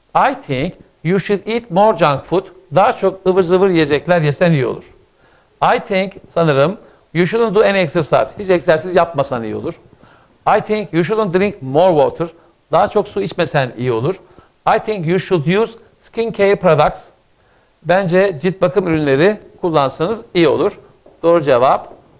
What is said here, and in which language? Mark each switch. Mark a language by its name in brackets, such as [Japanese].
[English] I think you should eat more junk food. [Turkish] Daha çok ıvır zıvır yiyecekler yesen iyi olur. [English] I think, [Turkish] sanırım, [English] you shouldn't do any exercise. [Turkish] Hiç egzersiz yapmasan iyi olur. [English] I think you shouldn't drink more water. [Turkish] Daha çok su içmesen iyi olur. [English] I think you should use skin care products. [Turkish] Bence cilt bakım ürünleri kullansanız iyi olur. Doğru cevap.